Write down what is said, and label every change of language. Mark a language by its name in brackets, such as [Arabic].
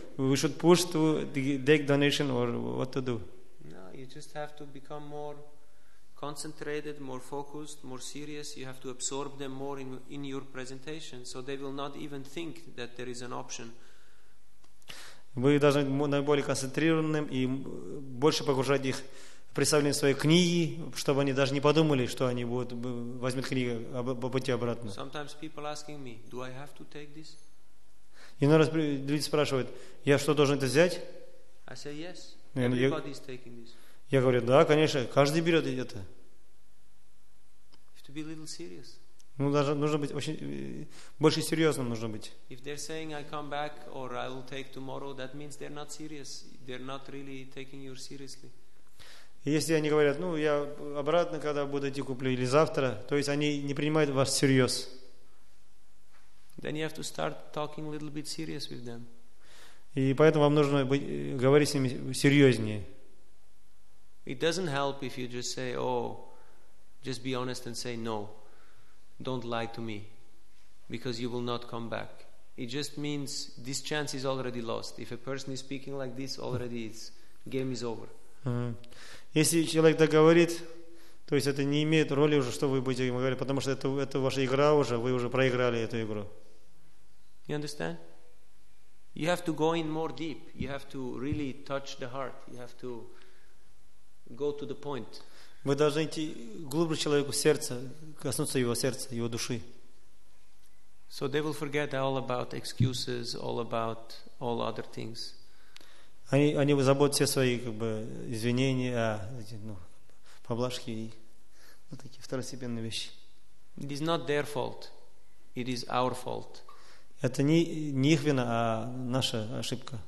[English] We should push to take donation, or what to do? No, you just have to become more concentrated, more focused, more serious. You have to absorb them more in your presentation, so they will not even think that there is an option. [Russian] Вы должны быть наиболее концентрированным и больше погружать их в представление своей книги, чтобы они даже не подумали, что они будут возьмут книгу по пути обратно. [English] Sometimes people asking me, do I have to take this? [Russian] Иногда люди спрашивают, я что, должен это взять? [English] I say yes. Everybody is taking this. [Russian] Я говорю, да, конечно, каждый берет это. [English] To be a little serious. [Russian] Ну, даже нужно быть очень больше серьезным нужно быть. [English] If they're saying I come back or I will take tomorrow, that means they're not serious. They're not really taking you seriously. [Russian] Если они говорят, ну я обратно, когда буду идти куплю или завтра, то есть они не принимают вас всерьез. [English] Then you have to start talking a little bit serious with them. [Russian] И поэтому вам нужно говорить с ними серьезнее. [English] It doesn't help if you just say, oh, just be honest and say no. Don't lie to me, because you will not come back. It just means this chance is already lost. If a person is speaking like this, already it's game is over. [Russian] Если человек так говорит, то есть это не имеет роли уже, что вы будете ему говорить, потому что это ваша игра уже, вы уже проиграли эту игру. [English] You understand? You have to go in more deep. You have to really touch the heart. You have to go to the point. [Russian] Мы должны идти глубже человеку сердце, коснуться его сердца, его души. [English] So they will forget all about excuses, all about all other things. [Russian] Они забудут все свои как бы извинения, поблажки и такие второстепенные вещи. [English] It is not their fault. It is our fault. [Russian] Это не их вина, а наша ошибка.